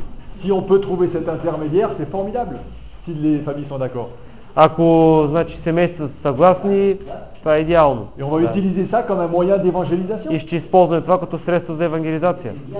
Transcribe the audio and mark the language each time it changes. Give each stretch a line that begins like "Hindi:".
French: Si on peut trouver cet intermédiaire, c'est formidable. Si les familles sont d'accord.
Bulgarian: Ако, значи, семейството са съгласни, това е идеално. И
French: on va utiliser ça comme un moyen d'évangélisation.
Bulgarian: И ще използваме това като средство за евангелизация.